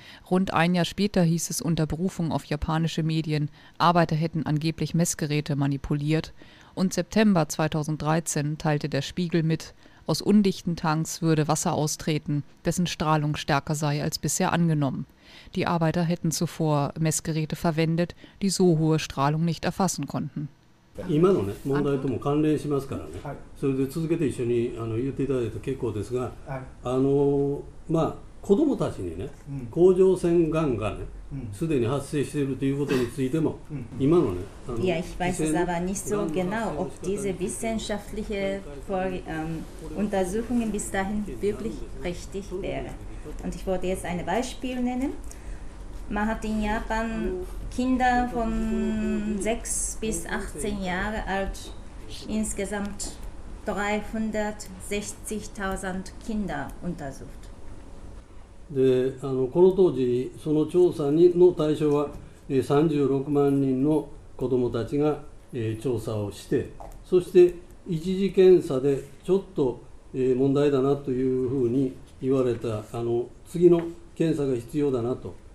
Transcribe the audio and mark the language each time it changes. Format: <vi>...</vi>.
<de>Rund ein Jahr später hieß es unter Berufung auf japanische Medien, Arbeiter hätten angeblich Messgeräte manipuliert und September 2013 teilte der Spiegel mit, aus undichten Tanks würde Wasser austreten, dessen Strahlung stärker sei als bisher angenommen. Die Arbeiter hätten zuvor Messgeräte verwendet, die so hohe Strahlung nicht erfassen konnten.</de> <ja>今のね問題とも関連しますからね、それで続けて一緒に言っていただいて結構ですが、まあ子どもたちにね甲状腺がんがねすでに発生しているということについても、今のね、</ja> <de>いや、ich weiß aber nicht so genau, ob diese wissenschaftliche Untersuchungen bis dahin wirklich richtig wäre. Und ich wollte jetzt ein Beispiel nennen. Man hat in Japan Kinder von 6 bis 18 Jahre alt, insgesamt 360.000 Kinder untersucht.</de> <ja>で、この当時、その調査の対象は36万人の子どもたちが調査をして、そして一次検査でちょっと問題だなというふうに言われた、次の検査が必要だなと。</ja>